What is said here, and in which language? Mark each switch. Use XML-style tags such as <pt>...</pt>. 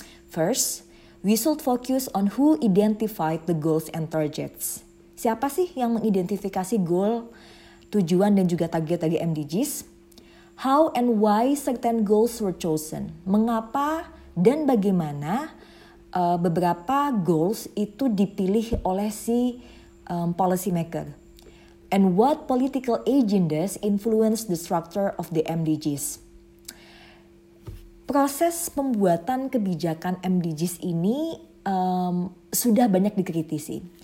<en>First, we should focus on who identified the goals and targets.</en> <id>Siapa sih yang mengidentifikasi goal, tujuan, dan juga target dari MDGs?</id> <en>How and why certain goals were chosen?</en> <id>Mengapa dan bagaimana beberapa goals itu dipilih oleh si policy maker.</id> <en>And what political agendas influence the structure of the MDGs?</en> <id>Proses pembuatan kebijakan MDGs ini sudah banyak dikritisi.</id>